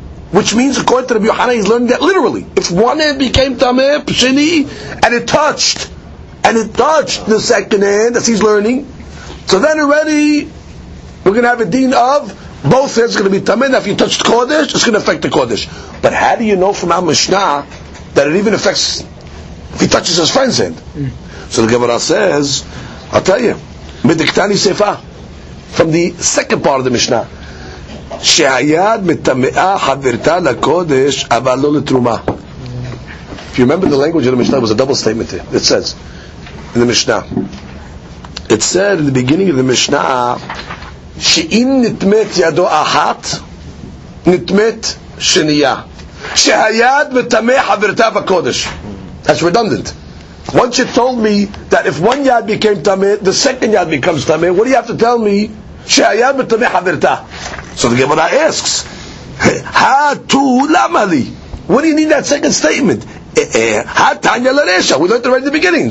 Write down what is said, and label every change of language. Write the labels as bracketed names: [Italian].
[English] Which means, according to Rabbi Yohanan, he's learning that literally. If one hand became tameh, pshini, and it touched the second hand, as he's learning, so then already, we're going to have a din of, both hands are going to be tameh, and if you touched Kodesh, it's going to affect the Kodesh. But how do you know from our Mishnah, that it even affects, if he touches his friend's hand? So the Gemara says, I'll tell you, midiktani sefa, from the second part of the Mishnah, [Hebrew] שהיד מתמאה חברתה לקודש אבל לא לתרומה. [English] If you remember the language of the Mishnah, it was a double statement here. It says in the Mishnah, it said in the beginning of the Mishnah, [Hebrew] שאם נתמת ידו אחת נתמת שנייה, שהיד מתמאה חברתה בקודש. [English] That's redundant. Once you told me that if one yad became tameh, the second yad becomes tameh, what do you have to tell me? [Hebrew] שהיד מתמאה חברתה. [English] So the Gemara asks, "Ha tu lamali? What do you need that second statement? Ha tanya laresha? We learned it right in the beginning.